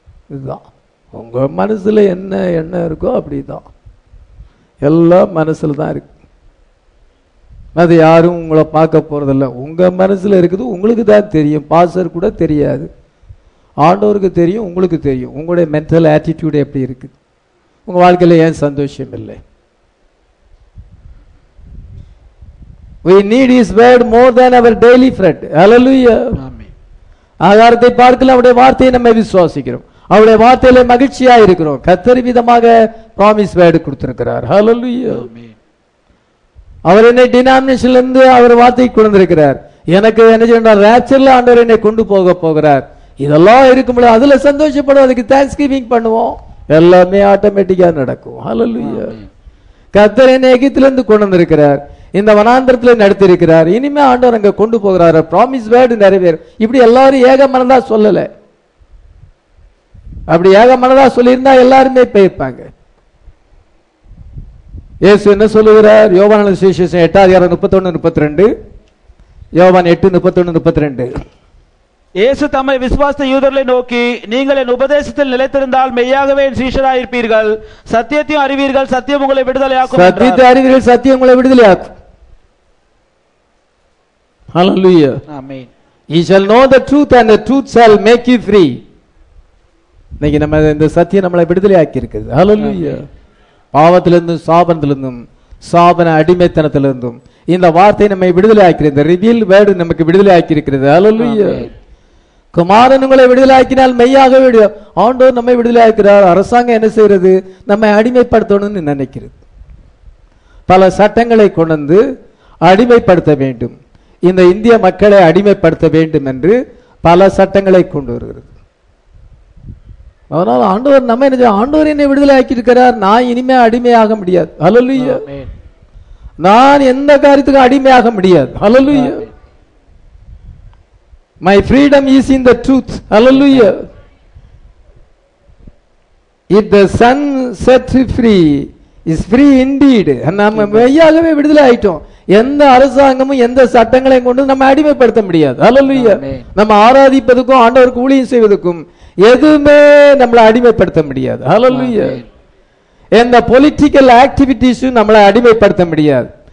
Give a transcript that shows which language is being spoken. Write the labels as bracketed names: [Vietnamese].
[Tamil] இதுதான் உங்க மனசுல என்ன என்ன இருக்கோ அப்படிதான், எல்லாம் மனசுல தான் இருக்கு. அது யாரும் உங்களை பார்க்க போறதில்ல, உங்க மனசுல இருக்குது உங்களுக்கு தான் தெரியும். பாஸ்டர் கூட தெரியாது, ஆண்டவருக்கு தெரியும், உங்களுக்கு தெரியும். உங்களுடைய மென்டல் ஆட்டிடியூட் எப்படி இருக்கு, உங்க வாழ்க்கையில் ஏன் சந்தோஷம் இல்லை? [English] We need his word more than our daily bread. Hallelujah. Amen. [Tamil] ஆகாரத்தை பார்க்கல, அவருடைய வார்த்தையை நம்ம விசுவாசிக்கிறோம், அவருடைய வார்த்தையில மகிழ்ச்சியா இருக்கிறோம். கர்த்தர் விதமாக ப்ராமிஸ் word கொடுத்திருக்கிறார். Hallelujah. Amen. அவர் என்னை டினாமினேஷன்ல இருந்து அவர் வார்த்தைக்கு கொண்டிருக்கிறார். எனக்கு என்ன சொன்னால் ராப்சர்ல ஆண்டவர் என்னை கொண்டு போக போகிறார். இதெல்லாம் இருக்கும்போது அதுல சந்தோஷப்படும், அதுக்கு தேங்க்ஸ் கிவிங் பண்ணுவோம், எல்லாமே ஆட்டோமேட்டிக்கா நடக்கும். ஹல்லேலூயா. கர்த்தர் என்னை எகிப்திலிருந்து கொண்டு வந்திருக்கிறார், இந்த வனாந்திரத்தில் நடத்தி இருக்கிறார், இனிமே ஆண்டவர் அங்க கொண்டு போகிறார், ப்ராமிஸ் வேர்டு நிறைவேறும். இப்படி எல்லாரும் ஏக மனதா சொல்லல, அப்படி ஏக மனதா சொல்லியிருந்தா எல்லாருமே போயிருப்பாங்க. இயேசு என்ன சொல்லுகிறார்? யோவான சுவிசேஷம் 8:31-32. யோவான் 8:31-32. இயேசு தம்மை விசுவாசித்த யூதர்களை நோக்கி, நீங்கள் என் உபதேசத்தில் நிலைத்திருந்தால் மெய்யாகவே என் சீஷராயிருப்பீர்கள், சத்தியத்தையும் அறிவீர்கள், சத்தியம் உங்களை விடுதலையாக்கும். சத்தியத்தை அறிவீர்கள், சத்தியம் உங்களை விடுதலையாக்கும். ஹல்லேலூயா, ஆமென். [English] You shall know the truth and the truth shall make you free. [Tamil] இன்னைக்கு நம்ம இந்த சத்தியம் நம்மளை விடுதலை ஆக்கி இருக்குது. ஹல்லேலூயா. பாவத்திலிருந்தும் சாபத்திலிருந்தும், சாபன அடிமைத்தனத்திலிருந்தும் இந்த வார்த்தை நம்மை விடுதலை ஆக்கிறது. ரிவீல் வேர்டு நமக்கு விடுதலை ஆக்கியிருக்கிறது. ஹல்லேலூயா. குமாரன் உங்களை விடுதலை ஆக்கினால் மெய்யாக விடும். ஆண்டவர் நம்மை விடுதலை ஆக்கிறார். அரசாங்கம் என்ன செய்யறது? நம்மை அடிமைப்படுத்தணும்னு நினைக்கிறது. பல சட்டங்களை கொண்டு வந்து அடிமைப்படுத்த வேண்டும், இந்திய மக்களை அடிமைப்படுத்த வேண்டும் என்று பல சட்டங்களை கொண்டு வருகிறது. அதனால் ஆண்டவர் நம்ம என்ன, ஆண்டவர் என்னை விடுதலை ஆக்கியிருக்கிறார், நான் இனிமே அடிமையாக முடியாது. ஹல்லேலூயா. நான் எந்த காரியத்துக்கும் அடிமையாக முடியாது. ஹல்லேலூயா. [English] My freedom is in the truth. Hallelujah. If the sun sets you free, is free indeed. [Tamil] நாம மெய்யாகவே விடுதலை ஆயிட்டோம். எந்த அரசாங்கமும் எந்த சட்டங்களையும் கொண்டு நம்ம அடிமைப்படுத்த முடியாது. Hallelujah. நம்ம ஆராதிப்பதற்கும் ஆண்டவருக்கு ஊழியம் செய்வதற்கும் எதுவுமே நம்மளை அடிமைப்படுத்த முடியாது. Hallelujah. எந்த பொலிட்டிக்கல் ஆக்டிவிட்டிஸும் நம்மளை அடிமைப்படுத்த முடியாது.